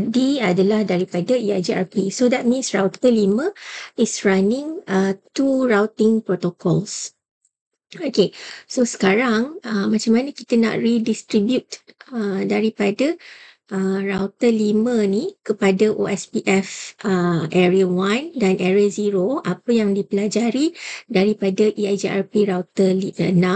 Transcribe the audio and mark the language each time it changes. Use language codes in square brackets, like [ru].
[ms] D adalah daripada EIGRP. [en] So that means router 5 is running two routing protocols. [ms] Okay, so sekarang macam mana kita nak redistribute daripada router 5 ni kepada OSPF area 1 dan area 0, apa yang dipelajari daripada EIGRP router 6.